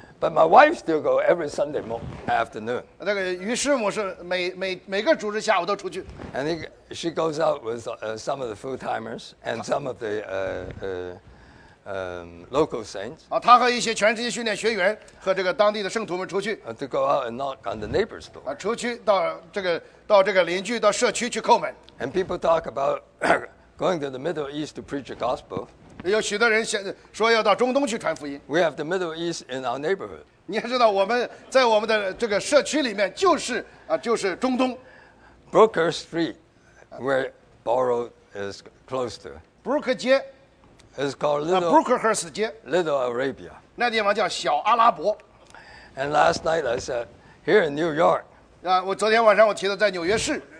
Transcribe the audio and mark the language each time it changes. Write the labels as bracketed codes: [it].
[en] ，But my wife still go every Sunday afternoon. [zh] 那个于师母是每个主日下午都出去 [en] ，And she goes out with some of the full timers and some of the local saints. [zh] 啊，她和一些全职训练学员和这个当地的圣徒们出去 [en] ，To go out and knock on the neighbor's door. [zh] 啊，出去到这个邻居到社区去叩门 [en] ，And people talk about. Going to the Middle East to preach the gospel. [zh] 有许多人说要到中东去传福音。 [en] We have the Middle East in our neighborhood. [zh] 你知道我们在我们的这个社区里面就是中东。 [en] Brooker Street, where Borough is close to. [zh] 布鲁克街。 [en] It's called Little. [zh] Brookerhurst 街。 [en] Little Arabia. [zh] 那地方叫小阿拉伯。 [en] And last night I said, here in New York. [zh] 啊，我昨天晚上我提到在纽约市。